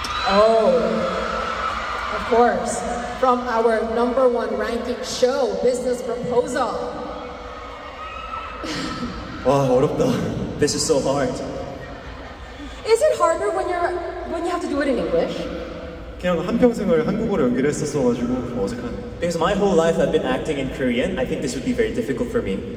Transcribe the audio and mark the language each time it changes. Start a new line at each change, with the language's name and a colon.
English: Oh, of course. From our number one ranking show, Business Proposal.
Korean: Wow, 어렵다.
English: This is so hard. Is it harder when you have to do it in English?
Korean: 그냥 한평생을 한국어로 연기했었어가지고 어색한.
English: Because my whole life I've been acting in Korean, I think this would be very difficult for me.